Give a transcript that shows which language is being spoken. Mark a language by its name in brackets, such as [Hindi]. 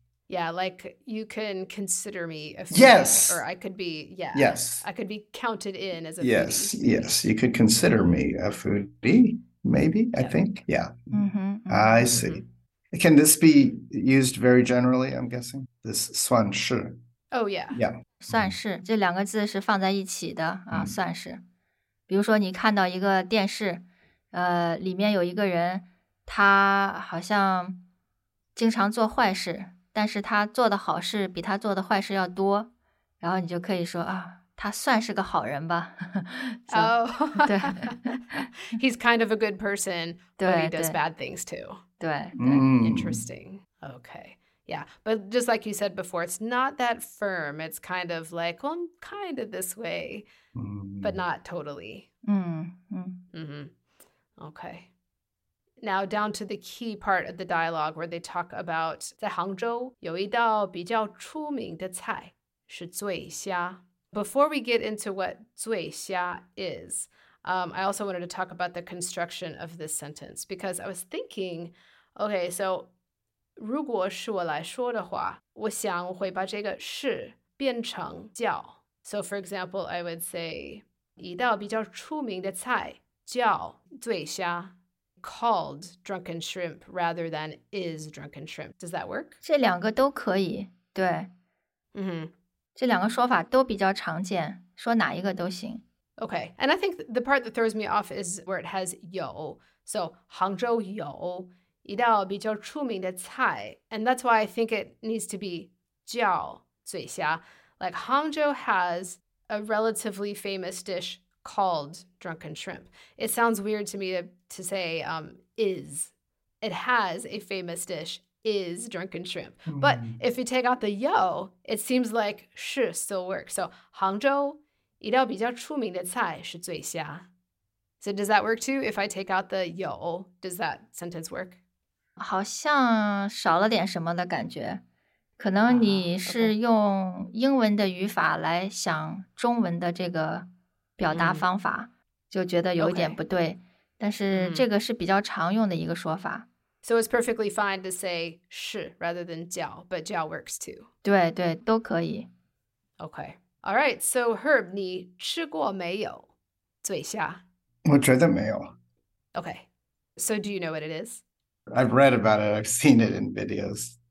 [English] Yeah, like you can consider me a foodie. Yes. Or I could be, yeah. Yes. I could be counted in as a foodie. Yes, yes. You could consider me a foodie, maybe, yeah. I think. Yeah. I see. Can this be used very generally, I'm guessing? This 算是. Oh, yeah. Yeah. [Chinese] 算是,这两个字是放在一起的,算是。比如说你看到一个电视,里面有一个人,他好像... 经常做坏事，但是他做的好事比他做的坏事要多，然后你就可以说啊，他算是个好人吧。哦、oh. ，对 [English] ，He's kind of a good person, but he does bad things too. [Chinese] 对 [English] ，Interesting. Okay. Yeah, but just like you said before, it's not that firm. It's kind of like, well, I'm kind of this way, but not totally. Okay. Now down to the key part of the dialogue where they talk about [Chinese] 在杭州有一道比较出名的菜是醉虾。 [English] Before we get into what 醉虾 is, I also wanted to talk about the construction of this sentence because I was thinking, okay, so... [Chinese] 如果是我来说的话，我想我会把这个是变成叫。 [English] So for example, I would say [Chinese] 一道比较出名的菜叫醉虾 [English] called drunken shrimp rather than is drunken shrimp. Does that work? [Chinese] 这两个都可以，对。嗯、mm-hmm. 这两个说法都比较常见，说哪一个都行。 [English] Okay, and I think the part that throws me off is where it has 有。 [Chinese] So 杭州有。一道比较出名的菜 [English] and that's why I think it needs to be 叫醉虾 like Hangzhou has a relatively famous dish called drunken shrimp. It sounds weird to me to say is. It has a famous dish is drunken shrimp. But if you take out the 有 it seems like 是 still works. So Hangzhou [Chinese] 一道比较出名的菜是醉虾 [English] So does that work too? If I take out the 有 does that sentence work? [Chinese] 好像少了点什么的感觉，可能你是用英文的语法来想中文的这个表达方法，就觉得有点不对。但是这个是比较常用的一个说法。 [English] So it's perfectly fine to say 是 rather than 叫 but 叫 works too. [Chinese] 对对，都可以。 [English] Okay. All right. So Herb, [Chinese] 你吃过没有醉虾？我觉得没有。 [English] Okay. So do you know what it is? I've read about it. I've seen it in videos.